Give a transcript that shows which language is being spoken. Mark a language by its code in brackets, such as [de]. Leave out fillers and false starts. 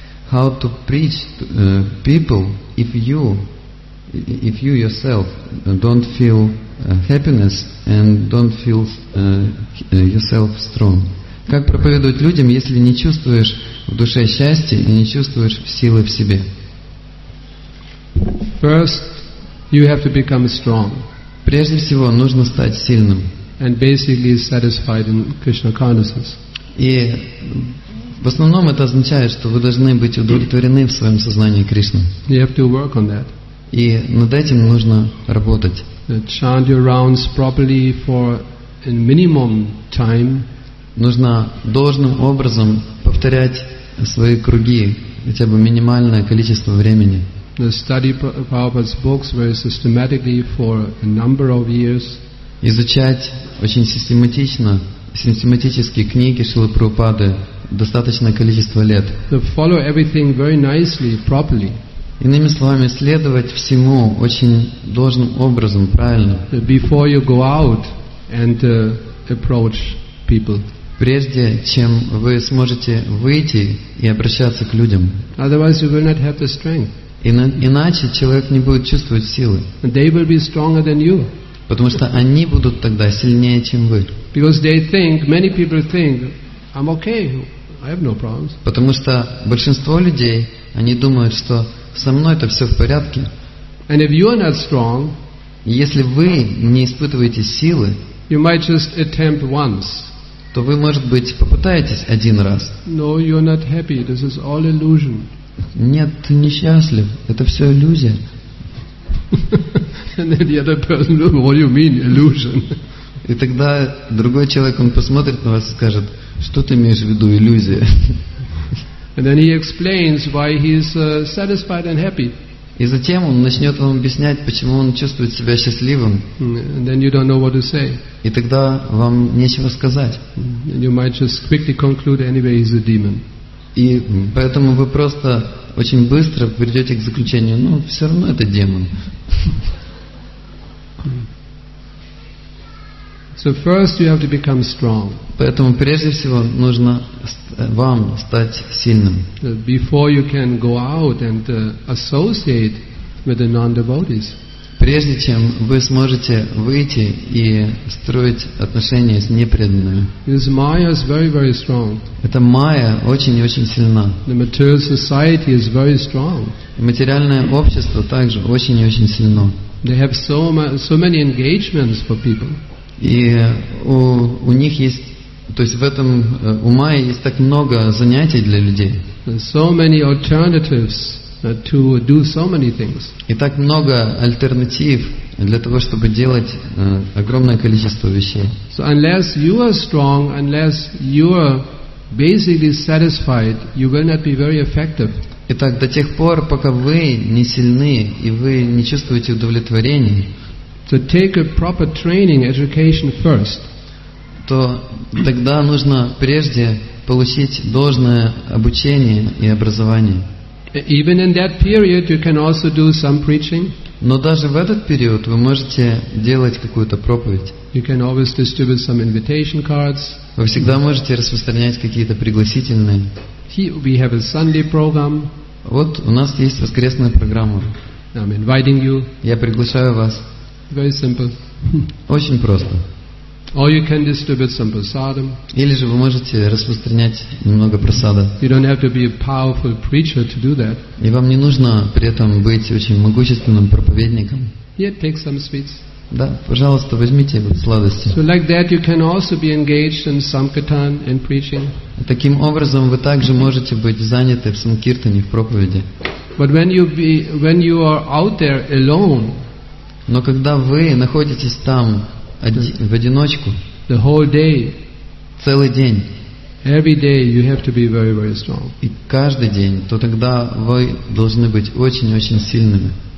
[en] How to preach to people if you yourself don't feel happiness and don't feel yourself strong. [ru] Как проповедовать людям, если не чувствуешь в душе счастья и не чувствуешь силы в себе? [en] First, you have to become strong. [ru] Прежде всего, нужно стать сильным. [en] And basically satisfied in Krishna consciousness. [ru] И в основном это означает, что вы должны быть удовлетворены в своем сознании Кришны. [en] You have to work on that. [ru] И над этим нужно работать. [en] Chant your rounds properly for a minimum time. [ru] Нужно должным образом повторять свои круги хотя бы минимальное количество времени. [en] Study Prabhupada's books very systematically for a number of years. [ru] Изучать очень систематически книги Шрилы Прабхупады достаточное количество лет. [en] To follow everything very nicely, properly. [ru] Иными словами, следовать всему очень должным образом, правильно. [en] Before you go out and approach people. [ru] Прежде чем вы сможете выйти и обращаться к людям. [en] Otherwise, you will not have the strength. [ru] Иначе человек не будет чувствовать силы. [en] They will be stronger than you. [ru] Потому что они будут тогда сильнее, чем вы. [en] Because they think, many people think, I'm okay, I have no problems. [ru] Потому что большинство людей, они думают, что со мной это все в порядке. [en] And if you are not strong, [ru] если вы не испытываете силы, [en] you might just attempt once. [ru] То вы, может быть, попытаетесь один раз. [en] No, you are not happy. This is all illusion. [ru] Нет, ты несчастлив. Это все иллюзия. [en] And then the other person will say, "What do you mean, illusion?" [ru] И тогда другой человек он посмотрит на вас и скажет, что ты имеешь в виду, иллюзия? [en] And then he explains why he is satisfied and happy. [ru] И затем он начнет вам объяснять, почему он чувствует себя счастливым. [en] And then you don't know what to say. [ru] И тогда вам нечего сказать. [en] And you might just quickly conclude anyway, he's a demon. [ru] И поэтому вы просто очень быстро придете к заключению, ну, все равно это демон. [en] So first you have to become strong. [ru] Поэтому прежде всего нужно вам стать сильным. [en] Before you can go out and associate with the non-devotees. [ru] Прежде чем вы сможете выйти и строить отношения с непреданными. [en] This Maya is very, very strong. [ru] Эта майя очень-очень сильна. [en] The material society is very strong. [ru] Материальное общество также очень-очень сильно. [en] They have so many engagements for people. [ru] И у них есть, то есть в этом у майя есть так много занятий для людей. [en] So many alternatives to do so many things. [ru] И так много альтернатив для того, чтобы делать огромное количество вещей. [en] So unless you are strong, unless you are basically satisfied, you will not be very effective. [ru] Итак, до тех пор, пока вы не сильны и вы не чувствуете удовлетворения. [en] So take a proper training, education first. [ru] То тогда нужно прежде получить должное обучение и образование. [en] Even in that period, you can also do some preaching. [ru] Но даже в этот период вы можете делать какую-то проповедь. [en] You can always distribute some invitation cards. [ru] Вы всегда можете распространять какие-то пригласительные. [en] We have a Sunday program. [ru] Вот у нас есть воскресная программа. [en] I'm inviting you. [ru] Я приглашаю вас. [en] Very simple. [ru] Очень просто. [en] Or you can distribute some prasadam. [ru] Или же вы можете распространять немного прасада. [en] You don't have to be a powerful preacher to do that. [ru] И вам не нужно при этом быть очень могущественным проповедником. [en] Yeah, take some sweets. [ru] Да, пожалуйста, возьмите сладости. [en] So like that you can also be engaged in sankirtan and preaching. [ru] Таким образом вы также можете быть заняты в санкиртане, в проповеди. [en] But when you are out there alone. [ru] Но когда вы находитесь там в одиночку, [en] the whole day, [ru] целый день, [en] every day you have to be very, very strong. [ru] И каждый день, то тогда вы должны быть очень-очень сильными.